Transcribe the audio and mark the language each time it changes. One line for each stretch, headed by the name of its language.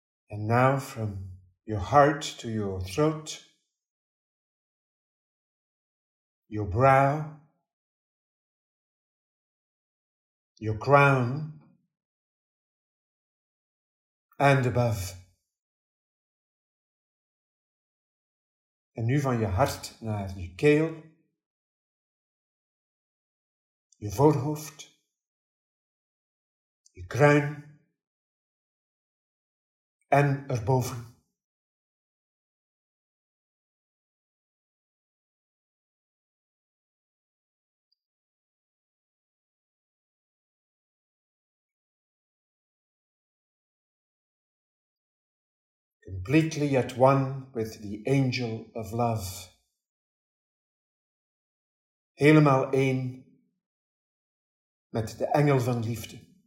English: And now from your heart to your throat, your brow, your crown, and above.
Dutch: En nu van je hart naar je keel, je voorhoofd, je kruin, en erboven.
English: completely at one with the angel of love.
Dutch: Helemaal één met de engel van liefde.